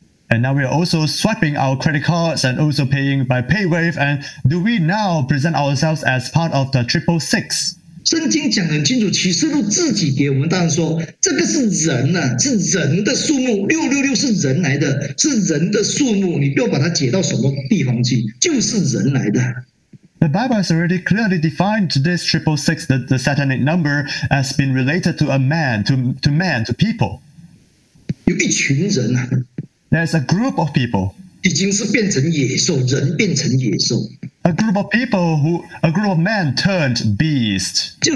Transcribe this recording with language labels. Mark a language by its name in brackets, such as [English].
[English] And now we are also swiping our credit cards and also paying by PayWave. And do we now present ourselves as part of the 666? [Chinese] 圣经讲很清楚，启示录自己给我们当然说，这个是人呐，是人的数目，666是人来的，是人的数目，你不要把它解到什么地方去，就是人来的。 [English] The Bible has already clearly defined this 666, the satanic number, as been related to a man, to man, to people. [Chinese] 有一群人啊, [English] There's a group of people. [Chinese] 已经是变成野兽，人变成野兽。 [English] A group of people who, a group of men turned beast.